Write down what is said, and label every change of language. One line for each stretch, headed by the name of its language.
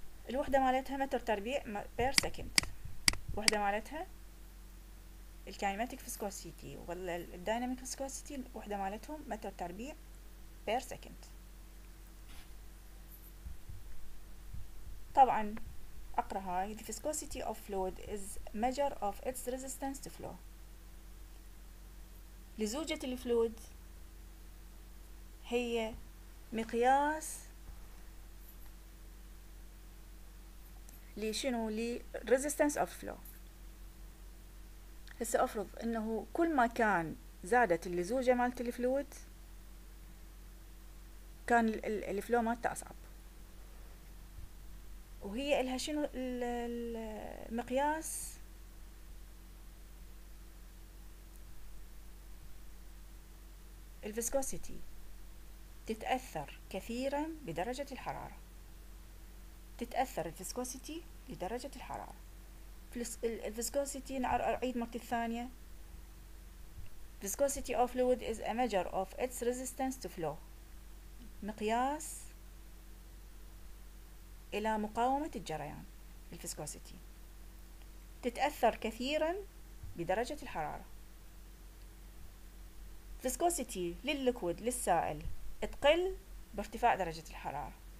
Arabic: الوحدة مالتها متر تربيع بير سكند. الوحدة مالتها الكينماتيك فيسكوسيتي والديناميك فيسكوسيتي الوحدة مالتهم متر تربيع بير سكند. طبعا اقرأ هاي
English: the viscosity of fluid is measure of its resistance to flow.
Arabic: لزوجة الفلويد هي مقياس لشنو؟ لي
English: resistance of flow.
Arabic: هسه افرض انه كل ما كان زادت اللزوجة مالت الفلويد كان الفلو مالته اصعب، وهي الها شنو المقياس الفيسكوسيتي تتأثر كثيرا بدرجة الحرارة. تتأثر الفيسكوسيتي لدرجة الحرارة. الفيسكوسيتي نعيد مرة ثانية،
English: viscosity of fluid is a measure of its resistance to flow،
Arabic: مقياس إلى مقاومة الجريان. الفيسكوسيتي تتأثر كثيرا بدرجة الحرارة. viscosity للليكويد للسائل تقل بارتفاع درجة الحرارة.